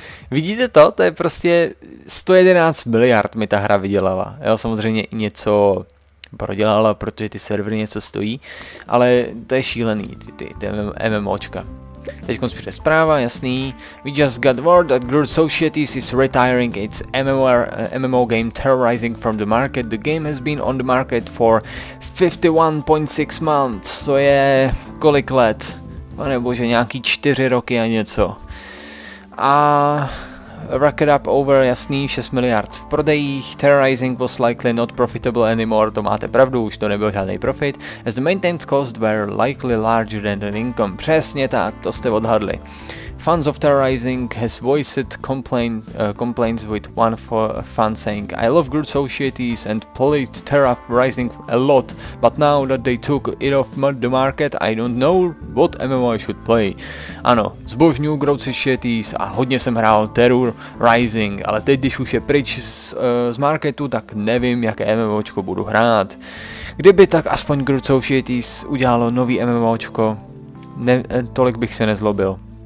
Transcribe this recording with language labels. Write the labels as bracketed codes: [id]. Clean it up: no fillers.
[cs] Vidíte to? To je prostě 111 miliard mi ta hra vydělala. Jo, samozřejmě i něco prodělala, protože ty servery něco stojí, ale to je šílený, ty MMOčka. Teďkonc přijde zpráva, jasný. [en] We just got word that Grid Societies is retiring its MMO game Terrorizing from the market. The game has been on the market for 51.6 months. [cs] To je kolik let? Pane bože, nějaký 4 roky a něco. [en] A rack it up over, [cs] jasný, 6 miliard v prodejích. [en] Terrorizing was likely not profitable anymore. [cs] To máte pravdu, už to nebyl žádný profit. [en] As the maintenance costs were likely larger than the income. [cs] Přesně tak, to jste odhadli. [en] Fans of Terrorizing has voiced complaints with one fan saying, I love Grid Societies and played Terrorizing a lot, but now that they took it off the market, I don't know what MMO I should play. [cs] Ano, zbožňuju Grid Societies a hodně jsem hrál Terrorizing, ale teď, když už je pryč z marketu, tak nevím, jaké MMOčko budu hrát. Kdyby tak aspoň Grid Societies udělalo nový MMOčko, tolik bych se nezlobil.